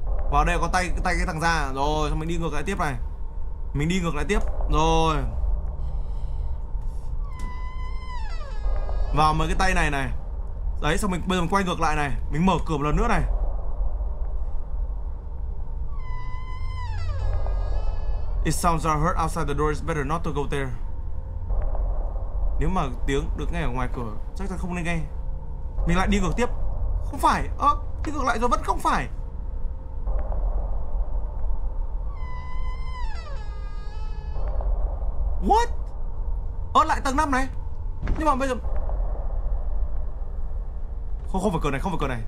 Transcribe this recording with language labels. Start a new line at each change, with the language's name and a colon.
Vietnamese: Vào đây có tay cái thằng ra. Rồi, xong mình đi ngược lại tiếp này. Mình đi ngược lại tiếp. Rồi. vào mấy cái tay này này. Đấy, xong mình bây giờ mình quay ngược lại này, mình mở cửa một lần nữa này.
English: It sounds are heard outside the door, it's better not to go there.
Vietnamese: Nếu mà tiếng được nghe ở ngoài cửa, chắc chắn không nên nghe. Mình lại đi ngược tiếp. Không phải, đi ngược lại rồi vẫn không phải. What? Lại tầng 5 này. Nhưng mà bây giờ không phải cửa này, không phải cửa này.